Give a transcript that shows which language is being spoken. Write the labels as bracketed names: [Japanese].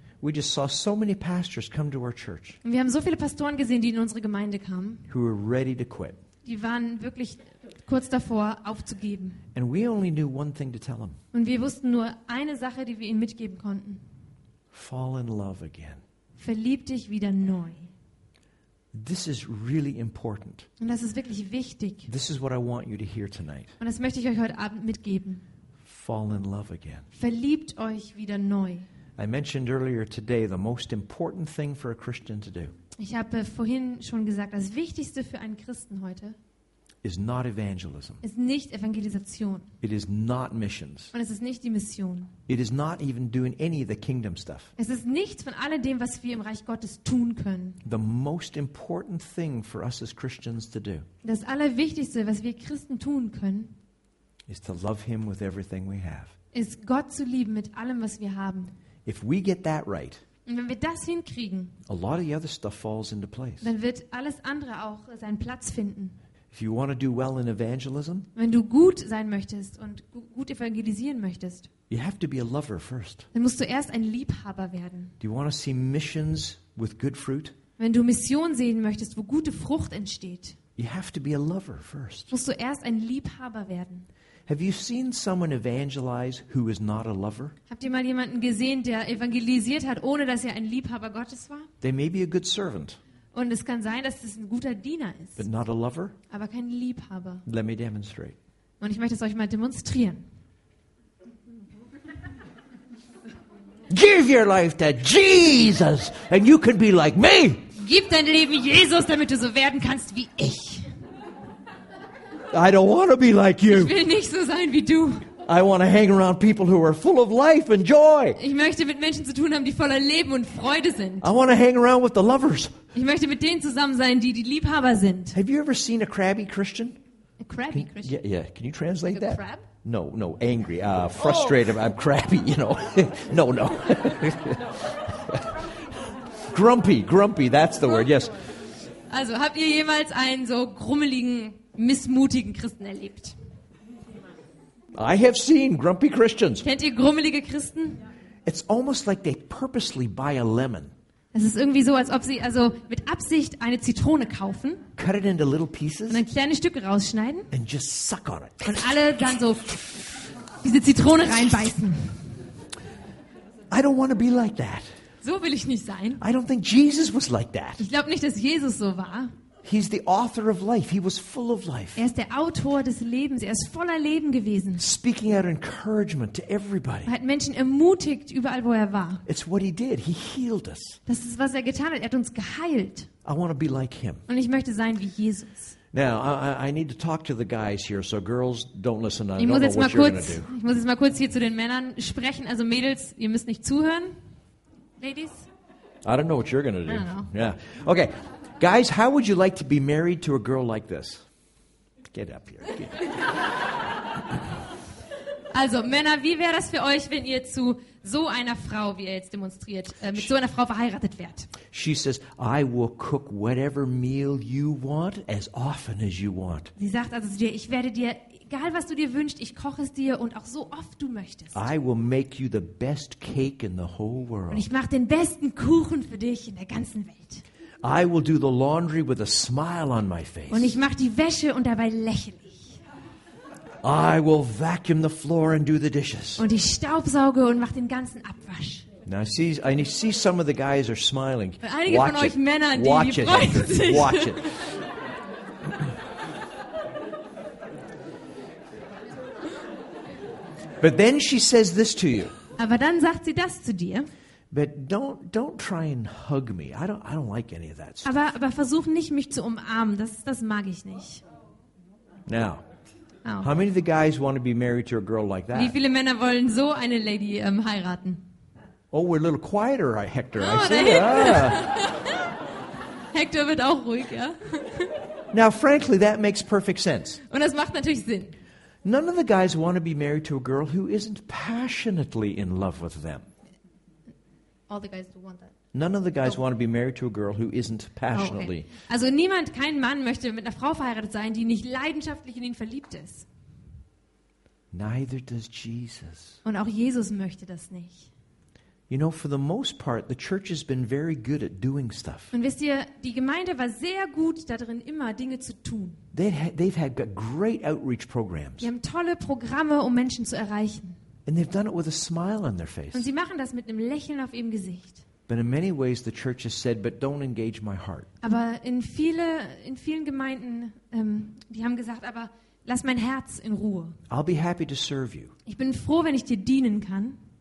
[English] We just saw so many pastors come to our church. [German] Und wir haben so viele Pastoren gesehen, die in unsere Gemeinde kamen. [English] Who were ready to quit. [German] Die waren wirklich kurz davor aufzugeben. [English] And we only knew one thing to tell them. [German] Und wir wussten nur eine Sache, die wir ihnen mitgeben konnten. [English] Fall in love again. [German] Verlieb dich wieder neu. [English] This is really important. [German] Und das ist wirklich wichtig. [English] This is what I want you to hear tonight. [German] Und das möchte ich euch heute Abend mitgeben. [English] Fall in love again. [German] Verliebt euch wieder neu. [English] I mentioned earlier today the most important thing for a Christian to do. [German] Ich habe vorhin schon gesagt, das Wichtigste für einen Christen heute [English] is not evangelism. [German] Ist nicht Evangelisation. [English] It is not missions. [German] Und es ist nicht die Mission. [English] It is not even doing any of the kingdom stuff. [German] Es ist nichts von all dem, was wir im Reich Gottes tun können. [English] The most important thing for us as Christians to do. [German] Das Allerwichtigste, was wir Christen tun können, [English] is to love him with everything we have. [German] Ist Gott zu lieben mit allem, was wir haben. [English] If we get that right, [German] und wenn wir das hinkriegen, [English] a lot of the other stuff falls into place. [German] Dann wird alles andere auch seinen Platz finden. [English] If you want to do well in evangelism, [German] wenn du gut sein möchtest und gut evangelisieren möchtest, [English] you have to be a lover first. [German] Dann musst du erst ein Liebhaber werden. [English] Do you want to see missions with good fruit? [German] Wenn du Mission sehen möchtest, wo gute Frucht entsteht, [English] you have to be a lover first. [German] Musst du erst ein Liebhaber werden. [English] Have you seen someone evangelize who is not a lover? [German] Habt ihr mal jemanden gesehen, der evangelisiert hat, ohne dass er ein Liebhaber Gottes war? [English] They may be a good servant. [German] Und es kann sein, dass es ein guter Diener ist. [English] But not a lover? [German] Aber kein Liebhaber. [English] Let me demonstrate. [German] Und ich möchte es euch mal demonstrieren. [English] Give your life to Jesus and you can be like me. [German] Gib dein Leben Jesus, damit du so werden kannst wie ich. [English] I don't want to be like you. [German] Ich will nicht so sein wie du. [English] I want to hang around people who are full of life and joy. [German] Ich möchte mit Menschen zu tun haben, die voller Leben und Freude sind. [English] I want to hang around with the lovers. [German] Ich möchte mit denen zusammen sein, die Liebhaber sind. [English] Have you ever seen a crabby Christian? A crabby Christian? Yeah. Can you translate like a that? Crab? No. Angry. Frustrated. Oh. I'm crabby, you know. No. Grumpy. That's the word. Yes. [German] Also, habt ihr jemals einen so grummeligen, missmutigen Christen erlebt? [English] I have seen grumpy Christians. [German] Kennt ihr grummelige Christen? [English] It's almost like they purposely buy a lemon. [German] Es ist irgendwie so, als ob sie also mit Absicht eine Zitrone kaufen. [English] Cut it into little pieces. [German] Und dann kleine Stücke rausschneiden. [English] And just suck on it. [German] Und alle dann so diese Zitrone reinbeißen. [English] I don't want to be like that. [German] So will ich nicht sein. [English] I don't think Jesus was like that. [German] Ich glaube nicht, dass Jesus so war. [English] He's the author of life. He was full of life. [German] Er ist der Autor des Lebens. Er ist voller Leben gewesen. [English] Speaking out encouragement to everybody. [German] Er hat Menschen ermutigt überall, wo er war. [English] It's what he did. He healed us. [German] Das ist, was er getan hat. Er hat uns geheilt. [English] I want to be like him. [German] Und ich möchte sein wie Jesus. [English] Now, I need to talk to the guys here, so girls, don't listen. I don't know what you're going to do. [German] Ich muss jetzt mal kurz hier zu den Männern sprechen. Also Mädels, ihr müsst nicht zuhören. [English] Ladies? I don't know what you're going to do. Yeah. Okay. Guys, how would you like to be married to a girl like this? Get up here. Get up. [German] Also, Männer, wie wäre das für euch, wenn ihr zu so einer Frau, wie ihr jetzt demonstriert, mit so einer Frau verheiratet wärt? [English] She says, I will cook whatever meal you want as often as you want. [German] Sie sagt also zu dir, ich werde dir egal was du dir wünschst, ich koche es dir und auch so oft du möchtest. [English] I will make you the best cake in the whole world. [German] Und ich mache den besten Kuchen für dich in der ganzen Welt. [English] I will do the laundry with a smile on my face. [German] Und ich mache die Wäsche und dabei lächle ich. [English] I will vacuum the floor and do the dishes. [German] Und ich staubsauge und mache den ganzen Abwasch. [English] Now I see some of the guys are smiling. [German] Einige [English] watch [German] von [English] it. [German] Euch Männern, [English] watch [German] die freuen [English] it. [German] Sich. [English] Watch it. But then she says this to you. [German] Aber dann sagt sie das zu dir. [English] But don't try and hug me. I don't like any of that stuff. [German] Aber versuch nicht mich zu umarmen. Das mag ich nicht. [English] Now. Oh. How many of the guys want to be married to a girl like that? [German] Wie viele Männer wollen so eine Lady heiraten? [English] Oh, we're a little quieter, Hector. Oh, I see. [German] Hector wird auch ruhig, ja. [English] Now, frankly, that makes perfect sense. [German] Und das macht natürlich Sinn. [English] None of the guys want to be married to a girl who isn't passionately in love with them. All the guys do want that. None of the guys want to be married to a girl who isn't passionately. Oh, okay. [German] Also niemand, kein Mann möchte mit einer Frau verheiratet sein, die nicht leidenschaftlich in ihn verliebt ist. [English] Neither does Jesus. [German] Und auch Jesus möchte das nicht. [English] You know, for the most part, the church has been very good at doing stuff. [German] Und wisst ihr, die Gemeinde war sehr gut darin, immer Dinge zu tun. [English] They've had great outreach programs. [German] Die haben tolle Programme, um Menschen zu erreichen. [English] And they've done it with a smile on their face. [German] Und sie machen das mit einem Lächeln auf ihrem Gesicht. [English] But in many ways, the church has said, "But don't engage my heart." [German] Aber in vielen Gemeinden, die haben gesagt, aber lass mein Herz in Ruhe. [English] I'll be happy to serve you. [German] Ich bin froh, wenn ich dir dienen kann.